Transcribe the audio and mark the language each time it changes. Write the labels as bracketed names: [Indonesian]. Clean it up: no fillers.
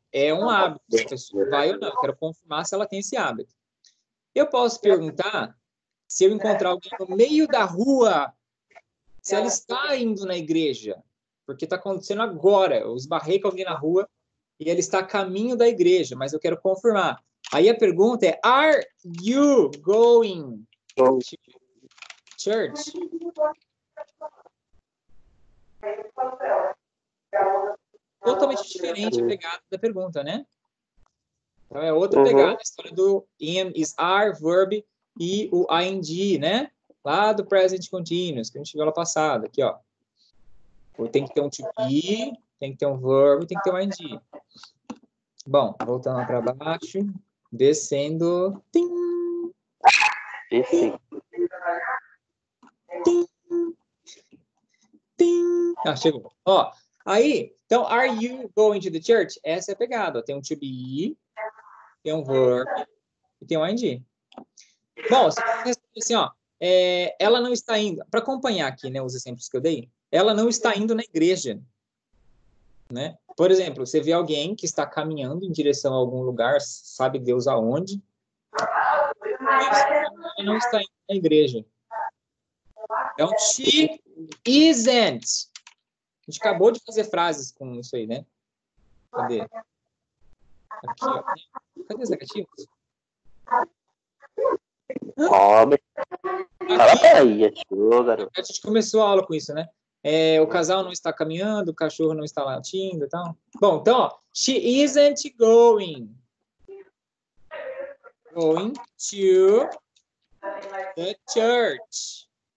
[Portuguese] É um hábito, professor. Vai ou não? Quero confirmar se ela tem esse hábito. Eu posso perguntar se eu encontrar alguém no meio da rua, se ela está indo na igreja, porque está acontecendo agora, eu esbarrei com alguém na rua e ela está a caminho da igreja, mas eu quero confirmar. Aí a pergunta é, [English] are you going to church? [Portuguese] Totalmente diferente a pegada da pergunta, né? Então é outra pegada, a história do am, is, are, verb, e o ing, né? Lá do present continuous, que a gente viu lá passada. Aqui, ó. Tem que ter um to be, tem que ter um verbo, tem que ter um ing. Bom, voltando lá para baixo. Descendo. Tim! Tim! Tim! Ah, chegou. Ó, aí, então, [English] are you going to the church? [Portuguese] Essa é a pegada. Ó. Tem um to be, tem um verbo e tem um ing. Bom, assim, ó, é, ela não está indo. Para acompanhar aqui, né, os exemplos que eu dei, ela não está indo na igreja, né? Por exemplo, você vê alguém que está caminhando em direção a algum lugar, sabe Deus aonde? Ela não está indo na igreja. Então, [English] she isn't. [Portuguese] A gente acabou de fazer frases com isso aí, né? Cadê? Aqui, ó. Cadê os negativos? Pobre. Aqui, a gente começou a aula com isso, né? É, o casal não está caminhando, o cachorro não está latindo e tal. Bom, então, ó, [English] she isn't going to the church.